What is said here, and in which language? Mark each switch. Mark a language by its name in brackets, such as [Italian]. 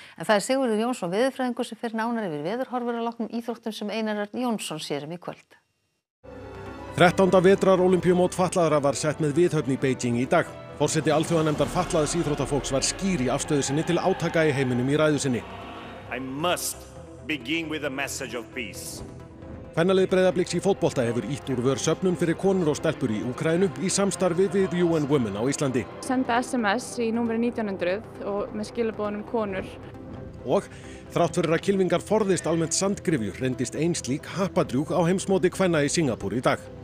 [Icelandic] En það Sigurður Jónsson veðurfræðingur sem fer nánar yfir veðurhorfur að loknum íþróttum sem Einar Örn Jónsson sér í kvöld. 13. vetrar Ólympíumót fatlaðra var sett með viðhöfn í Beijing í dag. Forseti alþjóðanefndar fatlaðs íþróttafólks var skýr í afstöðu sinni til átaka í heiminum í ræðu sinni. [English] I must begin with a message of peace. [Icelandic] Kvennalið Breiðabliks í fótbolta hefur ítt úr vör söfnun fyrir konur og stelpur í Úkraínu í samstarfi við UN Women á Íslandi. Senda SMS í númeri 1900 og með skilaboðunum konur. Og þrátt fyrir að kylfingar forðist almennt sandgrifju reyndist einslík happadrjúk á heimsmóti kvenna í Singapúr í dag.